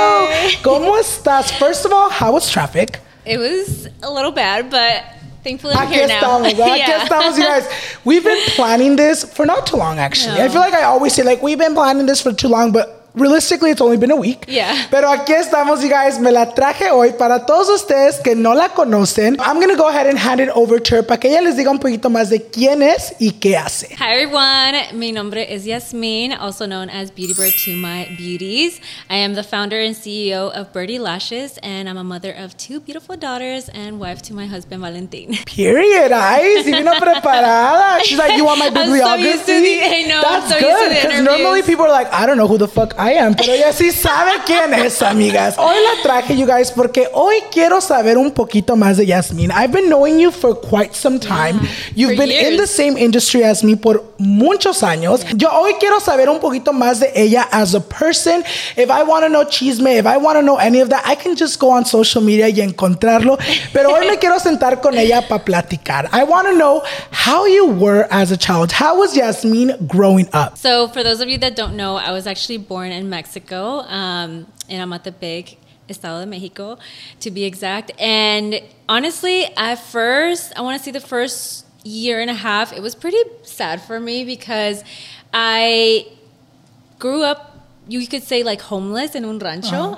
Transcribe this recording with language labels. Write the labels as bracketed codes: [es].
[en] Hi. [es] ¿Cómo estás? [en] First of all, how was traffic? It was a little bad, but... thankfully, I'm here now. [es] Aquí estamos, [en] you guys. We've been planning this for not too long, actually. No. I feel like I always say, like, we've been planning this for too long, but realistically, it's only been a week. Yeah. [es] Pero aquí estamos, [en] you guys. [es] Me la traje hoy para todos ustedes que no la conocen. [en] I'm going to go ahead and hand it over to her [es] para que ella les diga un poquito más de quién es y qué hace. [en] Hi, everyone. [es] Mi nombre es Yasmin, [en] also known as Beauty Bird to my beauties. I am the founder and CEO of Birdie Lashes, and I'm a mother of two beautiful daughters and wife to my husband, Valentin. Period. [es] Ay, si vino preparada. [en] She's like, you want my bibliography? I'm so used to the, I know. That's so good, because normally people are like, I don't know who the fuck I am, [es] pero ella sí sabe quién es, amigas. Hoy la traje, [en] you guys, [es] porque hoy quiero saber un poquito más de Yasmin. [en] I've been knowing you for quite some time. Yeah, you've been years. In the same industry as me [es] por muchos años. Yeah. Yo hoy quiero saber un poquito más de ella [en] as a person. If I want to know chisme, if I want to know any of that, I can just go on social media [es] y encontrarlo. Pero hoy me quiero sentar con ella para platicar. [en] I want to know how you were as a child. How was Yasmin growing up? So for those of you that don't know, I was actually born in Mexico, in Amatepec, Estado de Mexico, to be exact. And honestly, the first year and a half, it was pretty sad for me because I grew up, you could say, like, homeless in [es] un rancho. [en] Uh-huh.